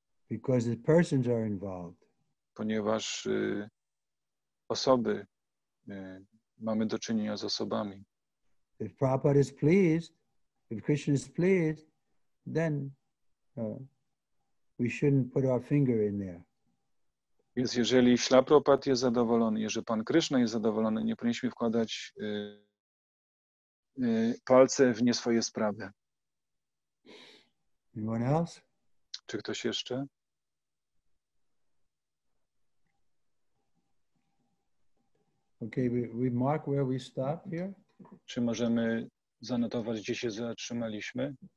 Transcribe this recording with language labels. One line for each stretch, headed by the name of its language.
English: Because the persons are involved.
Polish: Ponieważ osoby, mamy do czynienia z osobami.
English: If Prabhupada is pleased, if Krishna is pleased, then we shouldn't put our finger in there.
Polish: Więc jeżeli Śrīla Prabhupāda jest zadowolony, jeżeli Pan Krishna jest zadowolony, nie powinniśmy wkładać palce w nie swoje sprawy.
English: Anyone else?
Polish: Czy ktoś jeszcze?
English: Okay, we mark where we stop here.
Polish: Czy możemy zanotować, gdzie się zatrzymaliśmy?